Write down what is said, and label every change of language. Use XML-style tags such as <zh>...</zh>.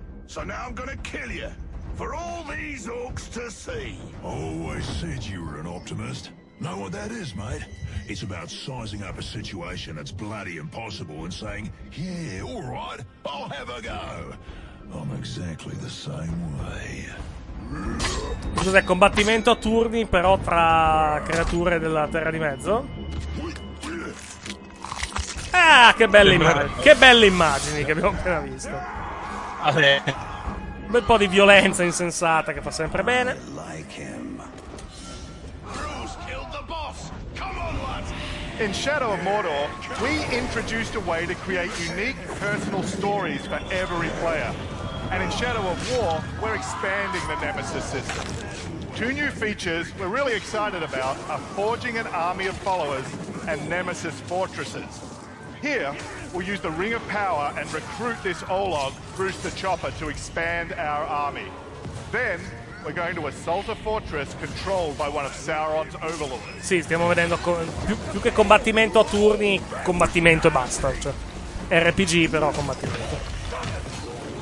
<en>So now I'm gonna kill you for all these orcs to see. Always said you were an optimist. Know what that is, mate? It's about sizing up a situation that's bloody impossible and saying, yeah, all right, I'll have a go. I'm exactly the same way.</en> <it>Cos'è, combattimento a turni però tra creature della terra di mezzo? Ah, che belle immagini, che belle immagini che abbiamo appena visto. Un bel po' di violenza insensata che fa sempre bene.</it> <en>In Shadow of Mordor, we introduced a way to create unique personal stories for every player. And in Shadow of War, we're expanding the Nemesis system. Two new features we're really excited about are forging an army of followers and Nemesis fortresses. Here, we'll use the Ring of Power and recruit this Olog, Bruce the Chopper, to expand our army. Then, we're going to assault a fortress controlled by one of Sauron's overlords.</en> <it>Sì, stiamo vedendo più che combattimento a turni, combattimento e basta. Cioè, RPG però combattimento.</it>